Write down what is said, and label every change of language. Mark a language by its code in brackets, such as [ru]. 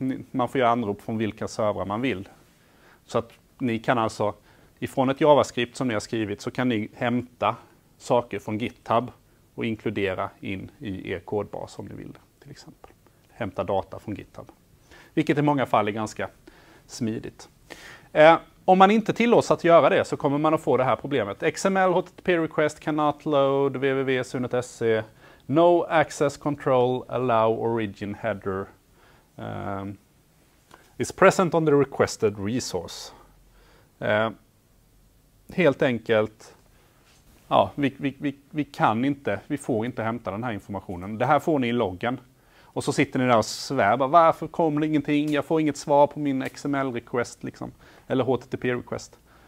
[sv] Man får göra anrop från vilka servrar man vill. Så att ni kan alltså ifrån ett JavaScript som ni har skrivit så kan ni hämta saker från GitHub och inkludera in i er kodbas om ni vill till exempel. Hämta data från GitHub. Vilket i många fall är ganska smidigt. Om man inte tillåts att göra det så kommer man att få det här problemet. [en] XML, HTTP request, cannot load, www.sunet.se, no access control, allow origin header, is present on the requested resource. [sv] Helt enkelt, ja, vi kan inte, vi får inte hämta den här informationen. Det här får ni i loggen. Och så sitter ni där och svävar. Varför kommer ingenting? Jag får inget svar på min XML-request. Liksom. Eller HTTP-request.